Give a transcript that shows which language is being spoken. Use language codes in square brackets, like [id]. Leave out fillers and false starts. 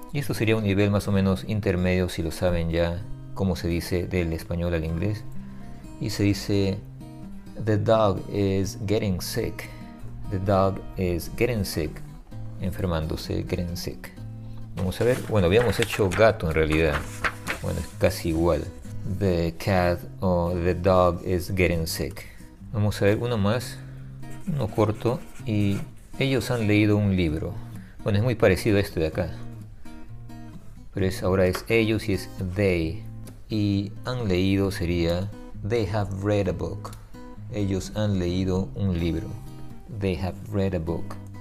[es] Y esto sería un nivel más o menos intermedio, si lo saben ya, cómo se dice del español al inglés. Y se dice, [en] the dog is getting sick. The dog is getting sick. [es] Enfermándose, [en] getting sick. [es] Vamos a ver. Bueno, habíamos hecho gato en realidad. Bueno, es casi igual. [en] The cat or the dog is getting sick. [es] Vamos a ver uno más, uno corto, y ellos han leído un libro. Bueno, es muy parecido a este de acá, pero es, ahora es ellos y es they, y han leído sería [en] they have read a book. [es] Ellos han leído un libro. [en] They have read a book.